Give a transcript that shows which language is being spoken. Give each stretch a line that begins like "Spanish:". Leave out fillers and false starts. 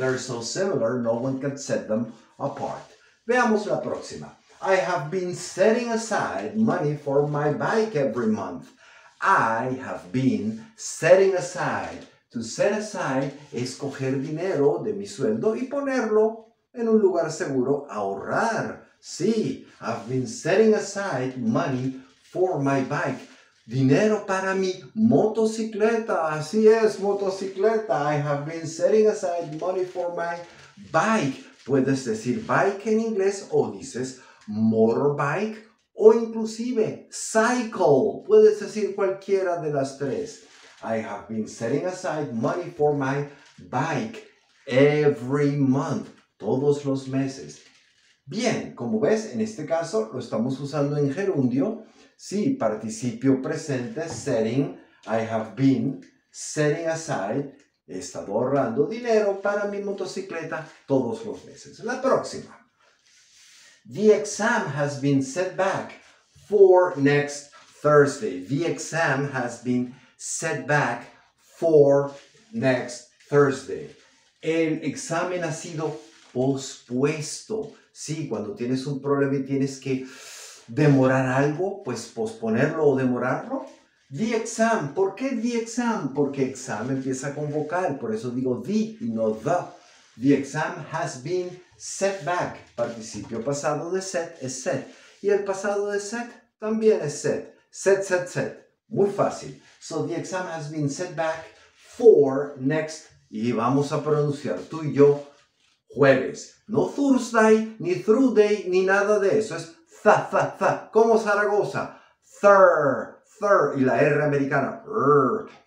English: They're so similar, no one can set them apart.
Spanish: Veamos la próxima.
English: I have been setting aside money for my bike every month. I have been setting aside. To set aside
Spanish: es coger dinero de mi sueldo y ponerlo en un lugar seguro, ahorrar.
English: Sí, I've been setting aside money for my bike.
Spanish: Dinero para mi motocicleta. Así es, motocicleta.
English: I have been setting aside money for my bike.
Spanish: Puedes decir bike en inglés o dices motorbike o inclusive cycle. Puedes decir cualquiera de las tres.
English: I have been setting aside money for my bike every month.
Spanish: Todos los meses. Bien, como ves, en este caso lo estamos usando en gerundio. Sí, participio presente, setting,
English: I have been setting aside,
Spanish: he estado ahorrando dinero para mi motocicleta todos los meses. La próxima.
English: The exam has been set back for next Thursday. The exam has been set back for next Thursday.
Spanish: El examen ha sido pospuesto. Sí, cuando tienes un problema y tienes que demorar algo, pues posponerlo o demorarlo.
English: The exam.
Spanish: ¿Por qué the exam? Porque exam empieza con vocal. Por eso digo the y no the.
English: The exam has been set back.
Spanish: Participio pasado de set es set. Y el pasado de set también es set. Set, set, set. Muy fácil.
English: So the exam has been set back for next.
Spanish: Y vamos a pronunciar tú y yo jueves. No Thursday, ni Thursday, ni nada de eso. Es tha, tha, tha. Como Zaragoza. Thur, thur. Y la R americana. Rrr.